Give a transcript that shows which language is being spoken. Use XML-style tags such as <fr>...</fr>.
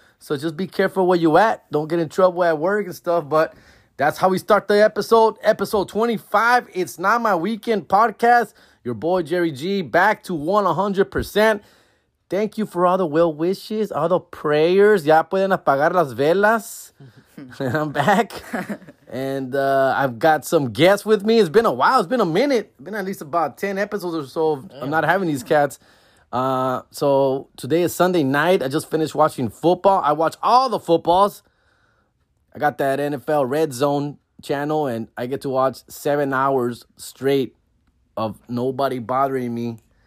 <en>So just be careful where you at. Don't get in trouble at work and stuff. But that's how we start the episode. Episode 25, It's Not My Weekend podcast. Your boy, Jerry G, back to 100%. Thank you for all the well wishes, all the prayers.</en> <es>Ya pueden apagar las velas.</es> <en>I'm back. And I've got some guests with me. It's been a while. It's been a minute. It's been at least about 10 episodes or so. I'm not having these cats. So today is Sunday night. I just finished watching football. I watch all the footballs. I got that NFL Red Zone channel, and I get to watch 7 hours straight of nobody bothering me.</en>